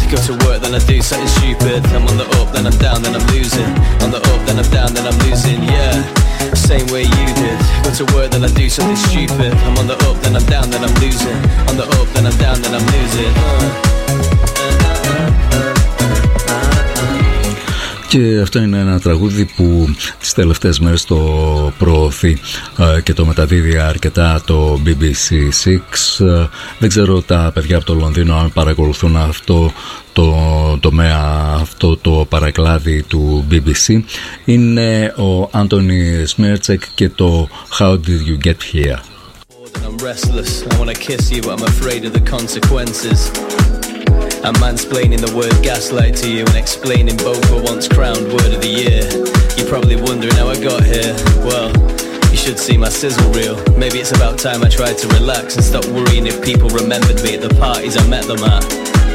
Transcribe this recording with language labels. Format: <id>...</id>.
<en>Go to work, then I do something stupid. I'm on the up, then I'm down, then I'm losing. On the up, then I'm down, then I'm losing, yeah. Same way you did. Go to work, then I do something stupid. I'm on the up, then I'm down, then I'm losing. On the up, then I'm down, then I'm losing.</en> <el>Και αυτό είναι ένα τραγούδι που τις τελευταίες μέρες το προωθεί και το μεταδίδει αρκετά το BBC 6. Δεν ξέρω τα παιδιά από το Λονδίνο αν παρακολουθούν αυτό το τομέα, αυτό το παρακλάδι του BBC. Είναι ο Άντωνι Σμέρτσεκ και το How Did You Get Here.</el> <en>I'm restless, I wanna kiss you but I'm afraid of the consequences. I'm mansplaining the word gaslight to you and explaining both were once crowned word of the year. You're probably wondering how I got here. Well, you should see my sizzle reel. Maybe it's about time I tried to relax and stop worrying if people remembered me at the parties I met them at.</en>